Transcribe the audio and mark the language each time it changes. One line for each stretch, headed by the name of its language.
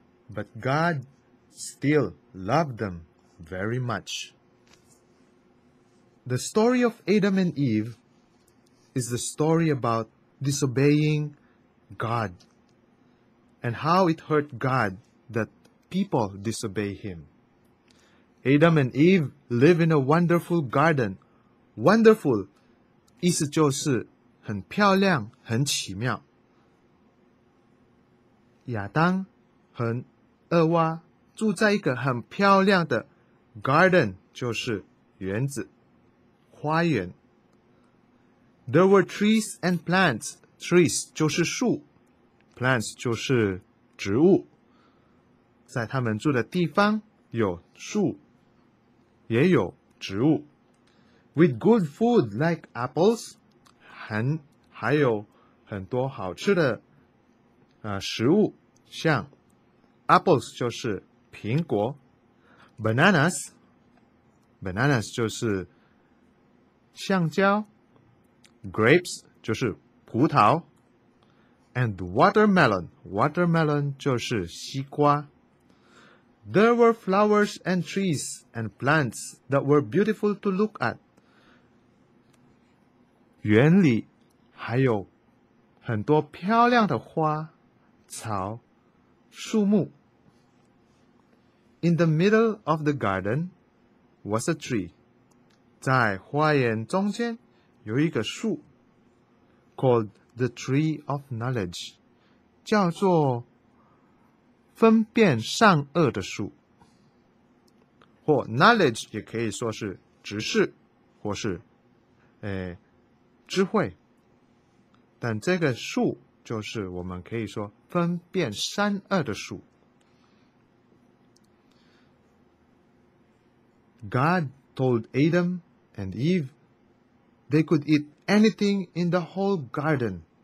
English: But God still loved them very much. The story of Adam and Eve is the story about disobeying God and how it hurt God that people disobey him. Adam and Eve live in a wonderful garden.
Chinese: Wonderful, 意思就是很漂亮，很奇妙。亚当和厄娃住在一个很漂亮的 garden, 就是园子，花园。
English: There were trees and plants.
Chinese: Trees 就是树， plants 就是植物。在他们住的地方有树也有植物 ，
English: with good food like apples,
Chinese: 还有很多好吃的、食物，像 apples 就是苹果 ，bananas 就是橡胶 ，grapes 就是葡萄 ，and watermelon 就是西瓜。
English: There were flowers and trees and plants that were beautiful to look at.
Chinese: 园里还有很多漂亮的花、草、树木。
English: In the middle of the garden was a tree.
Chinese: 在花园中间有一个树
English: called the Tree of Knowledge,
Chinese: 叫做分辨善恶的树，或 knowledge 也可以说是知识，或是智慧。但这个树就是我们可以说分辨善恶的树。
English: God told Adam and Eve they could eat anything in the whole garden.